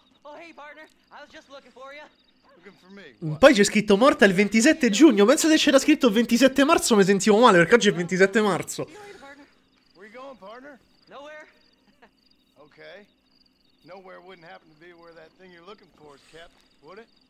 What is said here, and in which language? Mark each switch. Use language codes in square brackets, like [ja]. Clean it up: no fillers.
[en] Oh, hey partner, I was just looking for you. [it] Poi c'è scritto morta il 27 giugno. Penso se c'era scritto il 27 marzo mi sentivo male, perché oggi è il 27 marzo. [en] Where you going, partner? Nowhere. Okay. Nowhere wouldn't happen to be where that thing you're looking for is kept, would it?